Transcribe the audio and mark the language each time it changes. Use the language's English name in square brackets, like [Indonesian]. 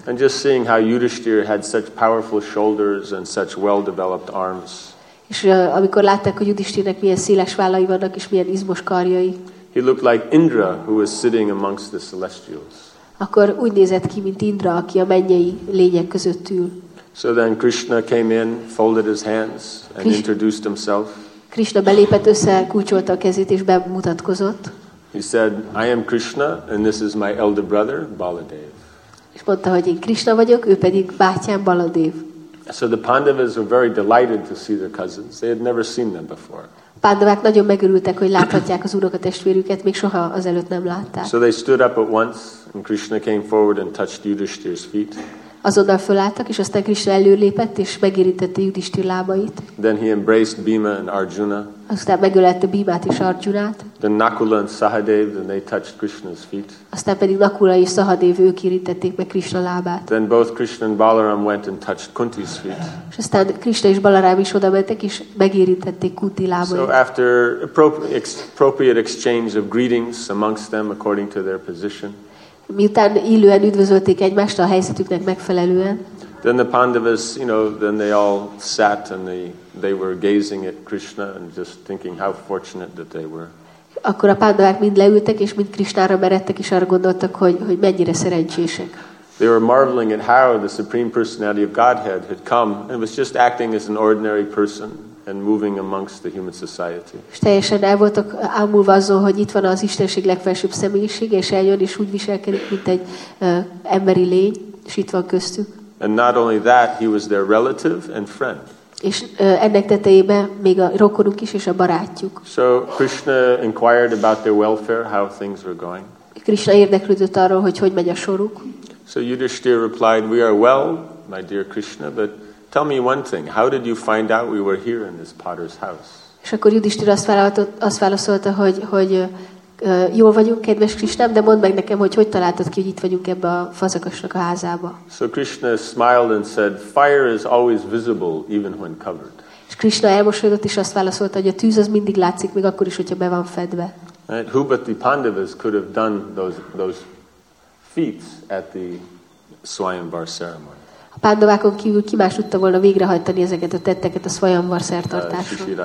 [English] And just seeing how Yudhishthira had such powerful shoulders and such well-developed arms. [Hungarian] És amikor látták, hogy Yudhishthirának milyen széles vállai vannak, és milyen izmos karjai. [English] He looked like Indra, who was sitting amongst the celestials. [Hungarian] Akkor úgy nézett ki, mint Indra, aki a mennyei lények között ül. [English] So then Krishna came in, folded his hands, and introduced himself. [Hungarian] Krishna belépett, össze kulcsolta a kezét, és bemutatkozott. [English] He said, "I am Krishna, and this is my elder brother, Baladev." [Hungarian] És mondta, hogy én Krishna vagyok, ő pedig bátyám Baladev. [English] So the Pandavas were very delighted to see their cousins. They had never seen them before. [Hungarian] Pandavák nagyon megörültek, hogy láthatják az unokatestvérüket, még soha azelőtt nem látták. [English] So they stood up at once, and Krishna came forward and touched Yudhishthira's feet. [Hungarian] Azonnal fölálltak, és aztán Krishna előlépett, és megérintette Yudhishthir lábait. [English] Then he embraced Bhima and Arjuna. [Hungarian] Aztán megölelte Bhimát és Arjunát. [English] Then Nakula and Sahadev, then they touched Krishna's feet. [Hungarian] Aztán pedig Nakula és Sahadev, ők érintették meg Krishna lábát. [English] Then both Krishna and Balaram went and touched Kunti's feet. [Hungarian] És aztán Krishna és Balaram is odamentek, és megérintették Kunti lábait. [English] So after appropriate exchange of greetings amongst them according to their position, [Hungarian] miután illően üdvözölték egymást a helyzetüknek megfelelően. [English] Then the Pandavas, you know, then they all sat and they were gazing at Krishna and just thinking how fortunate that they were. [Hungarian] Akkor a Pandavák mind leültek és mind Krishnára meredtek és arra gondoltak, hogy mennyire szerencsések. [English] They were marveling at how the Supreme Personality of Godhead had come and was just acting as an ordinary person and moving amongst the human society. [Hungarian] És teljesen el voltak ámulva azon, hogy itt van az Istenség legfelsőbb személyiség, és eljön és úgy viselkedik, mint egy emberi lény, és itt van köztük. [English] And not only that, he was their relative and friend. [Hungarian] És ennek tetejében még a rokonuk is, és a barátjuk. [English] So Krishna inquired about their welfare, how things were going. [Hungarian] Krishna érdeklődött arról, hogy megy a soruk. [English] So Yudhishthira replied, "We are well, my dear Krishna, but tell me one thing, how did you find out we were here in this potter's house?" [Hungarian] És akkor Yudhishthira azt válaszolta, hogy jól vagyunk, kedves Krisnám, de mondd meg nekem, hogy találtad ki, hogy itt vagyunk ebbe a fazakasnak a házába. [English] So Krishna smiled and said, "Fire is always visible even when covered." [Hungarian] És Krishna elmosolyodott és azt válaszolta, hogy a tűz az mindig látszik, még akkor is, hogyha be van fedve. [English] And who but the Pandavas could have done those feats at the Swayamvar ceremony? [Hungarian] Pandavákon kívül ki más tudta volna végrehajtani ezeket a tetteket a Svayamvar szertartáson.